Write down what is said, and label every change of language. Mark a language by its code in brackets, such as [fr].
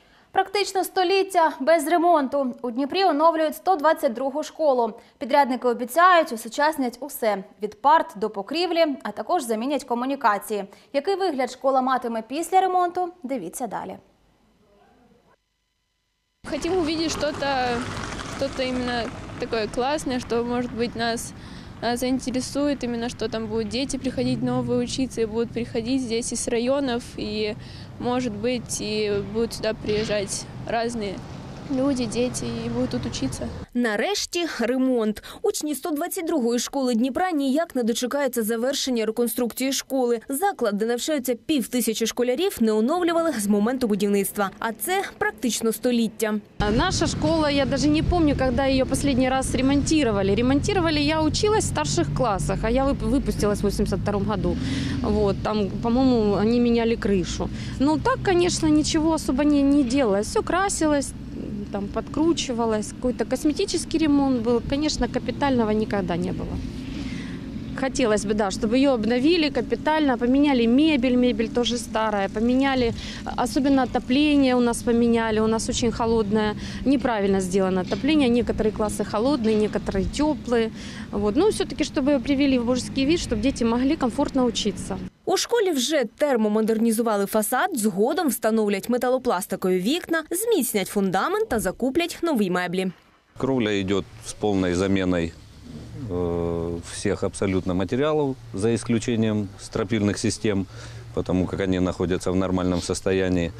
[uk] Практично століття без ремонту. У Дніпрі оновлюють 122-го школу. Підрядники обіцяють усучаснять усе – від парт до покрівлі, а також замінять комунікації. Який вигляд школа матиме після ремонту – дивіться далі. Хочемо побачити щось іменно таке класне, [ru] що, може бути, нас заинтересует именно, что там будут дети приходить новые учиться и будут приходить здесь из районов и, может быть, и будут сюда приезжать разные люди, дети [uk] і будуть тут учитися. Нарешті ремонт. Учні 122-ї школи Дніпра ніяк не дочекаються завершення реконструкції школи. Заклад, де навчаються 500 школярів, не оновлювали з моменту будівництва. А це практично століття. Наша школа, я навіть не пам'ятаю, коли її останній раз ремонтували. Ремонтували, я училась в старших класах, а я випустилась в 82-му году. Вот, там, по-моєму, вони міняли кришу. Ну, так, звісно, нічого особо не робили. [ru] Все красилось. Там подкручивалось, какой-то косметический ремонт был. Конечно, капитального никогда не было. Хотелось бы, да, чтобы ее обновили капитально, поменяли мебель, мебель тоже старая, поменяли, особенно отопление у нас поменяли, у нас очень холодное, неправильно сделано отопление, некоторые классы холодные, некоторые теплые, вот, ну, все-таки, чтобы ее привели в божеский вид, чтобы дети могли комфортно учиться. [uk] У школі вже термомодернізували фасад, згодом встановлять металопластикові вікна, зміцнять фундамент та закуплять нові меблі. Кровля йде з повною заміною всіх абсолютно матеріалів, за ісключенням стропільних систем, тому як вони знаходяться в нормальному стані.